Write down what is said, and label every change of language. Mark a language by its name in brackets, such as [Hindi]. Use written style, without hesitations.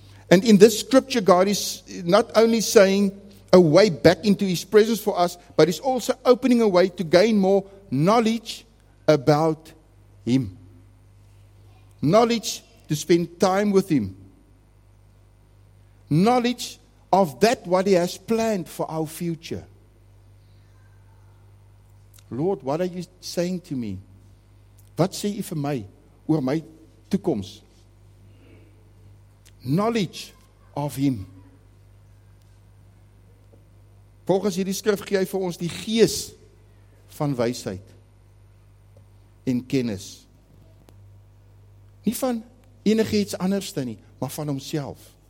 [English] And in this scripture, God is not only saying a way back into His presence for us, but He's also opening a way to gain more knowledge about Him. Knowledge to spend time with Him. Knowledge of that what He has planned for our future. Lord, what are you saying to me? [Afrikaans] Wat sê jy vir my oor my toekoms? [English] Knowledge of Him. [Afrikaans] Volgens hierdie skrif gee hy vir ons die gees van wysheid en kennis. Nie van enige iets anders nie, maar van homself.